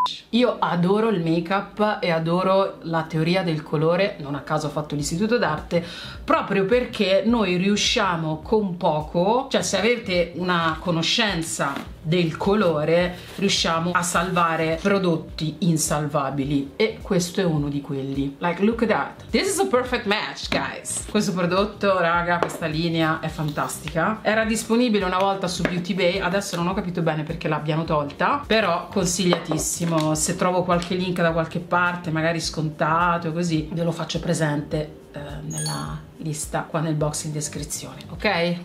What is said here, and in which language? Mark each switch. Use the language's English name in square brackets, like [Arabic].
[Italian] Io adoro il makeup e adoro la teoria del colore. Non a caso ho fatto l'istituto d'arte, proprio perché noi riusciamo con poco, cioè se avete una conoscenza del colore riusciamo a salvare prodotti insalvabili e questo è uno di quelli. [English] Like, look at that, this is a perfect match guys. [Italian] Questo prodotto, raga, questa linea è fantastica, era disponibile una volta su Beauty Bay, adesso non ho capito bene perché l'abbiano tolta, però consigliatissimo. Se trovo qualche link da qualche parte, magari scontato, così ve lo faccio presente nella lista qua nel box in descrizione, ok?